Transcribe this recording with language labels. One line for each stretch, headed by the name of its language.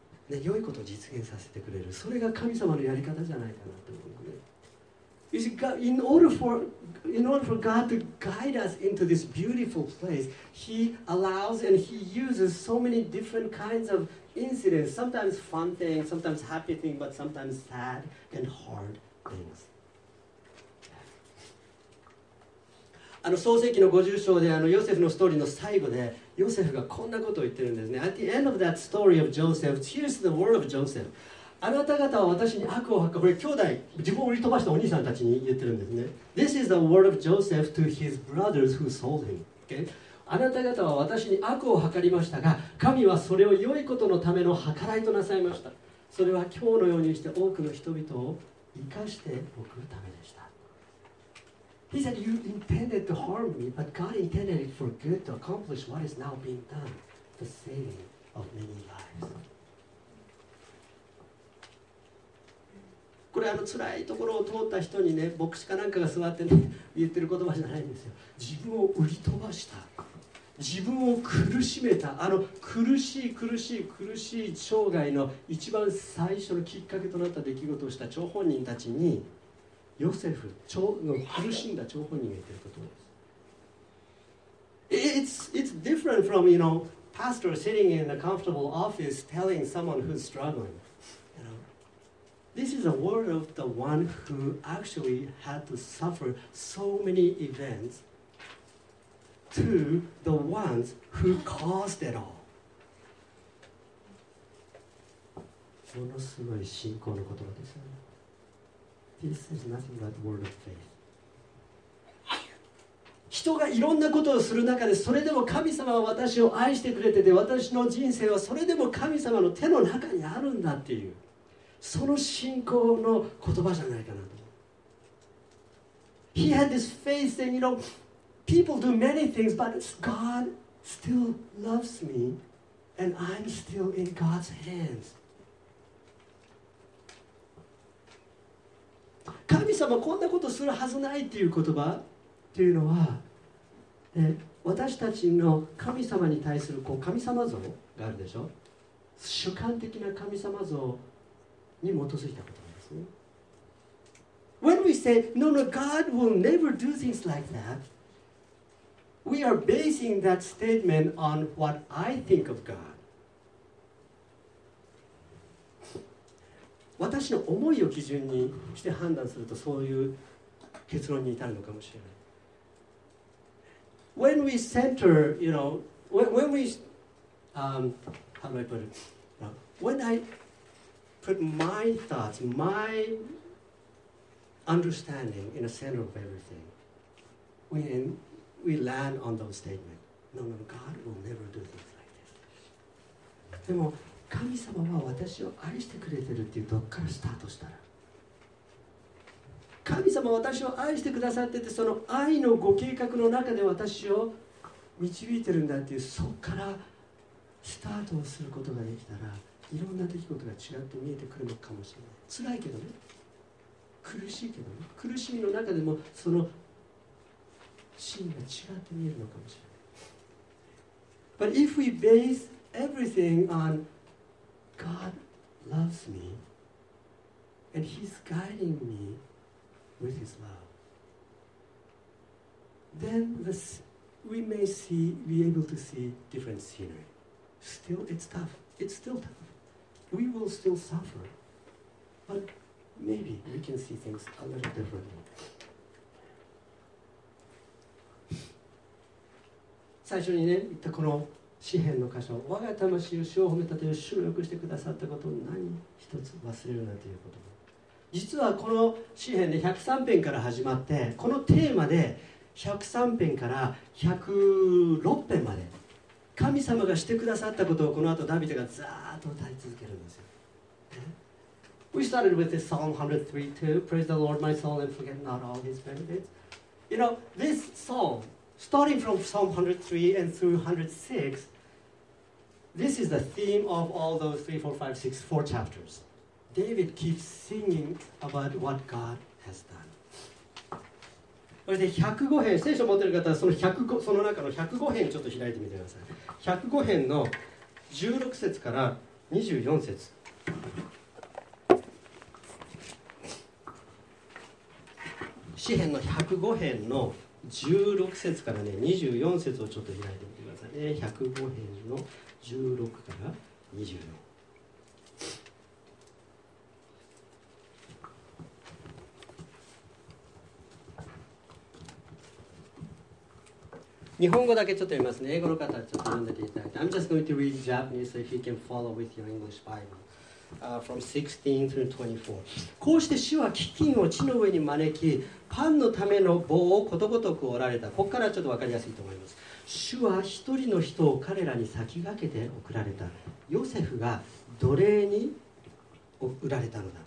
Japanese: ね、良いことを実現させてくれる。それが神様のやり方じゃないかなと思うので。
English: You see, God, in order for God to guide us into this beautiful place, He allows and He uses so many different kinds of incidents. Sometimes fun things, sometimes happy things, but sometimes sad and hard things.
Japanese: あの創世記の50章で、あのヨセフのストーリーの最後で、ヨセフがこんなことを言ってるんですね。
English: At the end of that story of Joseph, here's the word of Joseph.
Japanese: あなた方は私に悪を吐く。これ兄弟、自分を売り飛ばしたお兄さんたちに言ってるんですね。
English: This is the word of Joseph to his brothers who sold him. Okay?
Japanese: あなた方は私に悪を吐かりましたが、神はそれを良いことのための計らいとなさいました。それは今日のようにして多くの人々を生かしておくためでした。
English: He said, you intended to harm me, but God intended it for good to accomplish what is now being done, the saving of many lives.
Japanese: これあの辛いところを通った人にね、牧師かなんかが座って、ね、言ってる言葉じゃないんですよ。自分を売り飛ばした、自分を苦しめた、あの苦しい苦しい苦しい生涯の一番最初のきっかけとなった出来事をした張本人たちに、ヨセフ、苦しんだ張本人が言ってることです。
English: It's different from, you know, pastor sitting in a comfortable office telling someone who's struggling. You know, this is a word of the one who actually had to suffer so many events to the ones who caused it all.
Japanese: ものすごい信仰の言葉ですよね。
English: This is nothing but word of faith.
Japanese: 人がいろんなことをする中で、それでも神様は私を愛してくれてて、私の人生はそれでも神様の手の中にあるんだっていう、その信仰の言葉じゃないかなと。
English: He had this faith saying, you know, people do many things, but God still loves me, and I'm still in God's hands.
Japanese: 神様こんなことするはずないっていう言葉というのは、私たちの神様に対するこう神様像があるでしょ。主観的な神様像に基づいたことなんですね。
English: When we say, no, no, God will never do things like that, we are basing that statement on what I think of God.
Japanese: 私の思いを基準にして判断すると、そういう結論に至るのかもしれない。
English: When we center, you know, when we, how do I put it? When I put my thoughts, my understanding in the center of everything, when we land on those statements, no, no, God will never do things like this.
Japanese: でも神様は私を愛してくれてるっていうとこからスタートしたら、神様は私を愛してくださってて、その愛のご計画の中で私を導いてるんだっていう、そこからスタートをすることができたら、いろんな出来事が違って見えてくるのかもしれない。辛いけどね、苦しいけどね、苦しみの中でもそのシーンが違って見えるのかもしれない。
English: But if we base everything on God loves me and He's guiding meWith His love, then we may see, be able to see different scenery. Still, it's tough. It's still tough. We will still suffer, but maybe we can see things a little differently.
Japanese: 最初にね言ったこの詩篇の箇所、我が魂を主を褒めたてよ、主をよくしてくださったことを何一つ忘れるなということ。実はこの詩編で103編から始まって、このテーマで103編から106編まで神様がしてくださったことをこの後ダビデがずっと歌い続けるんですよ。
English: We started with this Psalm 103:2, Praise the Lord my soul and forget not all his benefits. You know, this Psalm, starting from Psalm 103 and through 106, this is the theme of all those 3, 4, 5, 6, 4 chapters. David keeps singing about what God has done.
Japanese: そして105編、聖書を持っている方はその105、その中の105編ちょっと開いてみてください。 105編の16節から24節。詩編の105編の16節から、ね、24節をちょっと開いてみてくださいね。 105編の16から24。日本語だけちょっと読みますね。英語の方はちょっと読んでていただいて。
English: I'm just going to read Japanese so if you can follow with your English Bible. From 16 through 24.
Japanese: こうして主は飢饉を地の上に招き、パンのための棒をことごとく折られた。ここからちょっと分かりやすいと思います。主は一人の人を彼らに先駆けて送られた。ヨセフが奴隷に売られたのだ。